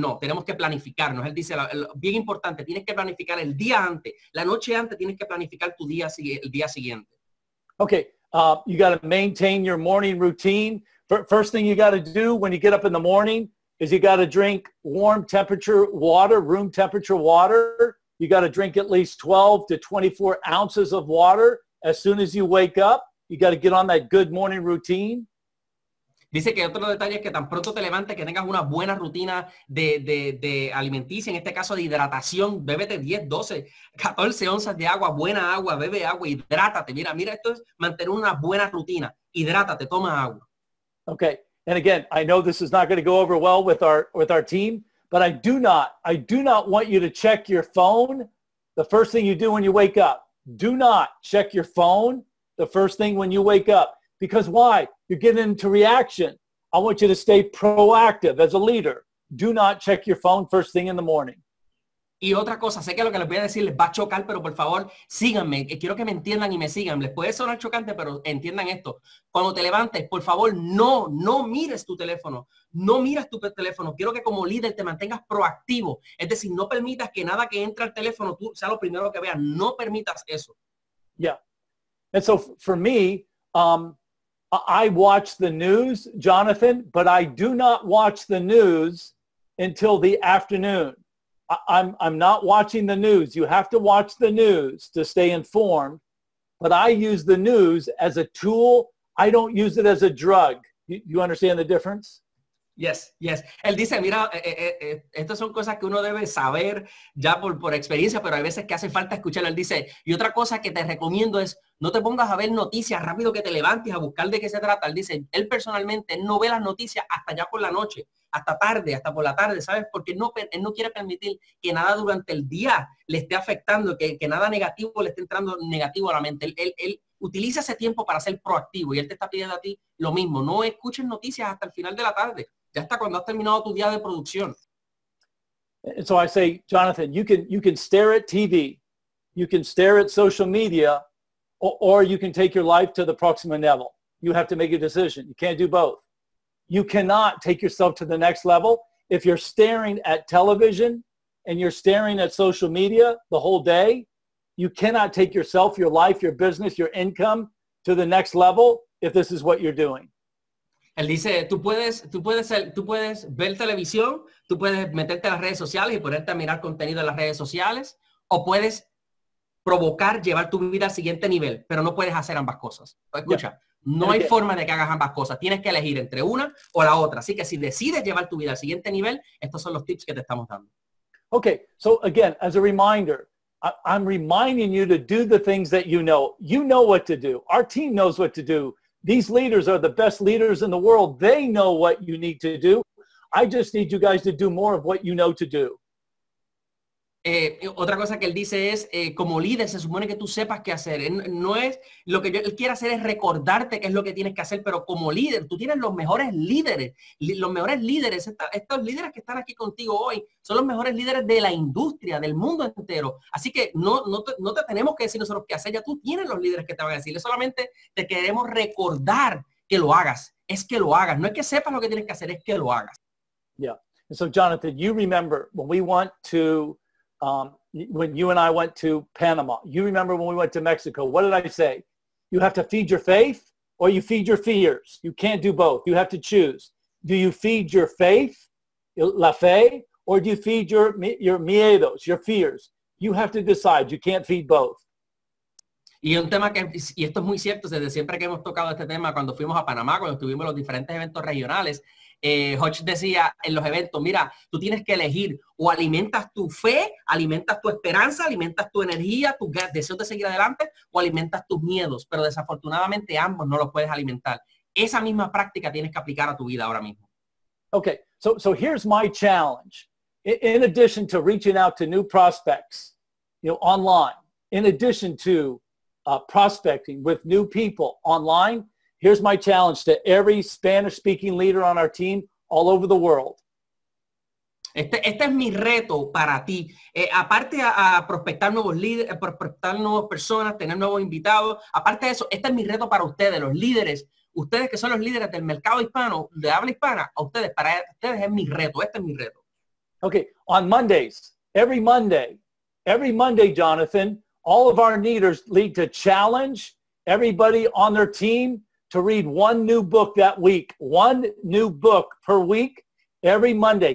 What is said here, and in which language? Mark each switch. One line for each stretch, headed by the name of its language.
Spanish: No, tenemos que planificarnos. Él dice, bien importante, tienes que planificar el día antes. La noche antes tienes que planificar tu día, el día siguiente.
English: Okay, you got to maintain your morning routine. First thing you got to do when you get up in the morning is you got to drink warm temperature water, room temperature water. You got to drink at least 12 to 24 ounces of water. As soon as you wake up, you got to get on that good morning routine.
Spanish: Dice que otro detalle es que tan pronto te levantes, que tengas una buena rutina de alimenticia, en este caso de hidratación, bébete 10, 12, 14 onzas de agua, buena agua, bebe agua, hidrátate. Mira, esto es mantener una buena rutina. Hidrátate, toma agua.
English: Okay. And again, I know this is not going to go over well with our team, but I do not want you to check your phone the first thing you do when you wake up. Do not check your phone the first thing when you wake up. Because why? You're getting into reaction. I want you to stay proactive as a leader. Do not check your phone first thing in the morning.
Spanish: Y otra cosa, sé que lo que les voy a decir les va a chocar, pero por favor, síganme. Quiero que me entiendan y me sigan. Les puede sonar chocante, pero entiendan esto. Cuando te levantes, por favor, no mires tu teléfono. No miras tu teléfono. Quiero que como líder te mantengas proactivo. Es decir, no permitas que nada que entre al teléfono tú sea lo primero que veas. No permitas eso.
English: Yeah. And so for me, I watch the news, Jonathan, but I do not watch the news until the afternoon. I'm not watching the news. You have to watch the news to stay informed. But I use the news as a tool. I don't use it as a drug. You understand the difference? Yes, yes.
Spanish: Él dice, mira, estas son cosas que uno debe saber ya por experiencia, pero hay veces que hace falta escucharlo. Él dice, y otra cosa que te recomiendo es, no te pongas a ver noticias rápido que te levantes a buscar de qué se trata. Él dice, él personalmente no ve las noticias hasta ya por la noche, hasta tarde, hasta por la tarde, ¿sabes? Porque él no quiere permitir que nada durante el día le esté afectando, que nada negativo le esté entrando negativo a la mente. Él utiliza ese tiempo para ser proactivo y él te está pidiendo a ti lo mismo. No escuches noticias hasta el final de la tarde. Ya está cuando has terminado tu día de producción.
English: And so I say, Jonathan, you can stare at TV, you can stare at social media, or you can take your life to the próximo level. You have to make a decision. You can't do both. You cannot take yourself to the next level if you're staring at television and you're staring at social media the whole day. You cannot take yourself, your life, your business, your income to the next level if this is what you're doing.
Spanish: Él dice, tú puedes ver televisión, tú puedes meterte a las redes sociales y ponerte a mirar contenido en las redes sociales, o puedes provocar, llevar tu vida al siguiente nivel, pero no puedes hacer ambas cosas. Escucha, no hay forma de que hagas ambas cosas. Tienes que elegir entre una o la otra. Así que si decides llevar tu vida al siguiente nivel, estos son los tips que te estamos dando.
English: Okay, so again, as a reminder, I'm reminding you to do the things that you know. You know what to do. Our team knows what to do. These leaders are the best leaders in the world. They know what you need to do. I just need you guys to do more of what you know to do.
Spanish: Otra cosa que él dice es, como líder, se supone que tú sepas qué hacer. No es lo que él quiere hacer es recordarte qué es lo que tienes que hacer, pero como líder, tú tienes los mejores líderes. Los mejores líderes, estos líderes que están aquí contigo hoy, son los mejores líderes de la industria, del mundo entero. Así que no te tenemos que decir nosotros qué hacer, ya tú tienes los líderes que te van a decir. Solamente te queremos recordar que lo hagas. Es que lo hagas. No es que sepas lo que tienes que hacer, es que lo hagas. Yeah.
English: So, Jonathan, you remember when we want to... when you and I went to Panama, you remember when we went to Mexico, what did I say? You have to feed your faith or you feed your fears. You can't do both. You have to choose. Do you feed your faith,
Spanish: la fe,
English: or do you feed your
Spanish: miedos,
English: your fears? You have to decide. You can't feed both.
Spanish: Y un tema que, y esto es muy cierto, desde siempre que hemos tocado este tema, cuando fuimos a Panamá, cuando estuvimos en los diferentes eventos regionales, Hutch decía en los eventos, mira, tú tienes que elegir, o alimentas tu fe, alimentas tu esperanza, alimentas tu energía, tu deseo de seguir adelante, o alimentas tus miedos, pero desafortunadamente ambos no los puedes alimentar. Esa misma práctica tienes que aplicar a tu vida ahora mismo.
English: Okay, so here's my challenge. In addition to reaching out to new prospects, you know, online, in addition to prospecting with new people online, here's my challenge to every Spanish-speaking leader on our team all over the world.
Spanish: Este es mi reto para ti. Aparte a prospectar nuevos líderes, prospectar nuevas personas, tener nuevos invitados, aparte de eso, este es mi reto para ustedes, los líderes. Ustedes que son los líderes del mercado hispano, de habla hispana, a ustedes, para ustedes es mi reto, este es mi reto.
English: Okay, on Mondays, every Monday, Jonathan, all of our leaders need to challenge everybody on their team to read one new book that week, one new book per week, every Monday.